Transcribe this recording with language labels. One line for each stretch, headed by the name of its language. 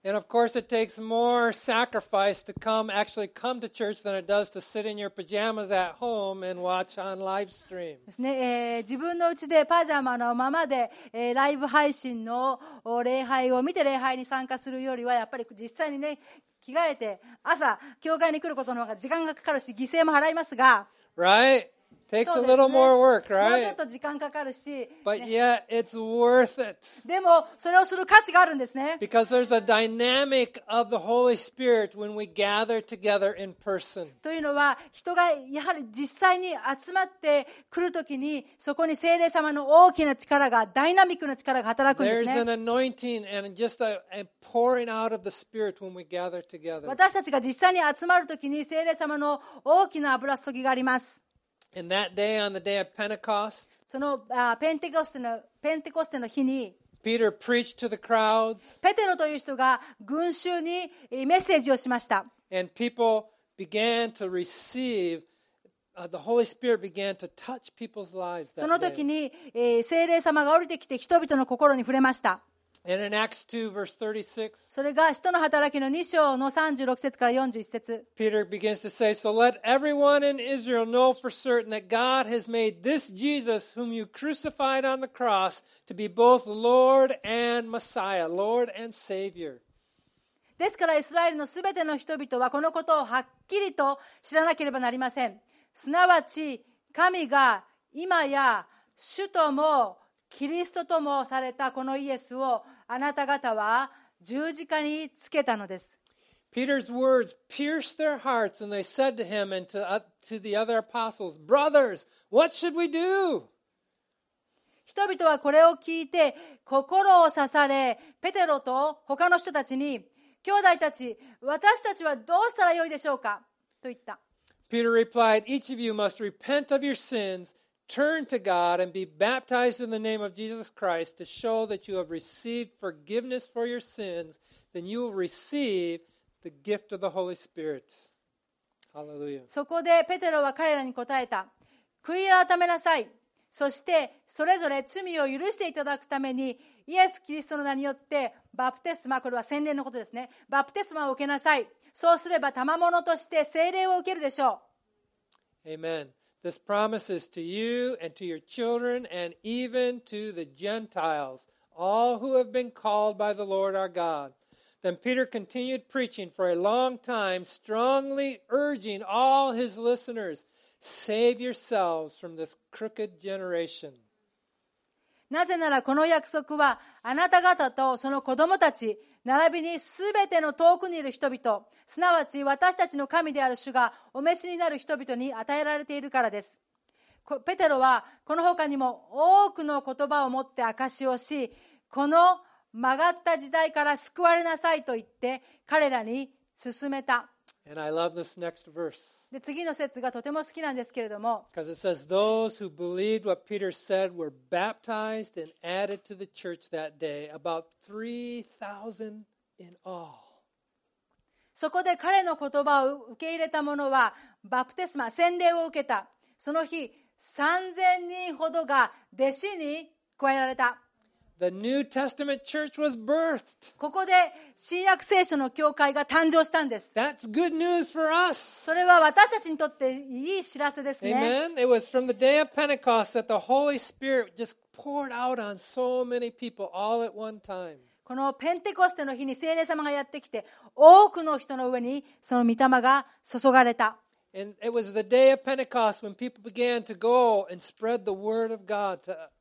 English: And of course it takes more sacrifice to actually come to church than it does to sit in your pajamas at home and watch on live stream.
Japanese: ですね、自分のうちでパジャマのままで、ライブ配信の礼拝を見て礼拝に参加するよりはやっぱり実際にね着替えて朝教会に来ることの方が時間がかかるし犠牲も払いますが、
English: right. Takes a little more work, right?
Japanese: もうちょっと時間かかるし、
English: but yeah, it's worth it.
Japanese: でもそれをする価値があるんですね。
English: Because there's a dynamic of the Holy Spirit when we gather together in person.
Japanese: というのは人がやはり実際に集まってくるときにそこに聖霊様の大きな力がダイナミックな力が働くんですね。
English: There's an anointing and just a pouring out of the Spirit when we gather together.
Japanese: 私たちが実際に集まるときに聖霊様の大きな油注ぎがあります。
English: In that day, on the day of Pentecost,
Japanese: その、ペンテコステの日に、
English: Peter preached to the crowds,
Japanese: ペテロという人が群衆にメッセージをしました。
English: And people began to receive, the Holy Spirit began to touch people's lives
Japanese: その時に、聖霊様が降りてきて人々の心に触れました。
English: And in Acts 2, verse 36,
Japanese: それが使徒の働きの2章の36節から41節
English: Peter begins to say, So let everyone in Israel know for certain that God has made this Jesus whom you crucified on the cross to be both Lord and Messiah, Lord and Savior.
Japanese: ですからイスラエルのすべての人々はこのことをはっきりと知らなければなりません。すなわち神が今や主ともキリストともされたこのイエスをあなた方は十字架につけたのです。
English: Peter's words pierced their hearts and they said to him and to the other apostles, Brothers, what should we do?
Japanese: 人々はこれを聞いて心を刺され、ペテロと他の人たちに、兄弟たち、私たちはどうしたらよいでしょうかと言った。
English: Peter replied, Each of you must repent of your sins, turn to God, and be baptized in the name of Jesus Christ to show that you have received forgiveness for your sins, then you will receive the gift of the Holy Spirit. Hallelujah.
Japanese: そこでペテロは彼らに答えた。悔い改めなさい。そしてそれぞれ罪を許していただくためにイエス・キリストの名によってバプテスマ、これは洗礼のことですね。バプテスマを受けなさい。そうすれば賜物として聖霊を受けるでしょう。
English: Amen. This promise is to you and to your children and even to the Gentiles, all who have been called by the Lord our God. Then Peter continued preaching for a long time, strongly urging all his listeners, save yourselves from this crooked generation.
Japanese: なぜならこの約束はあなた方とその子供たち並びにすべての遠くにいる人々、すなわち私たちの神である主がお召しになる人々に与えられているからです。ペテロはこの他にも多くの言葉を持って証しをし、この曲がった時代から救われなさいと言って彼らに勧めた。
English: And I love this next verse.
Japanese: で次の節がとても好きなんですけれども、そこで彼の言葉を受け入れた者はバプテスマ、洗礼を受けた、その日3000人ほどが弟子に加えられた。
English: The New Testament Church was birthed.
Japanese: ここで新約聖書の教会が誕生したんです。
English: That's good news for us.
Japanese: それは私たちにとっていい知らせですね。
English: Amen. It was from the day of Pentecost that the Holy Spirit just poured out on so many people all at one time.
Japanese: このペンテコステの日に聖霊様がやってきて、多くの人の上にその御霊が注がれた。
English: And it was the day of Pentecost when people began to go and spread the word of God to.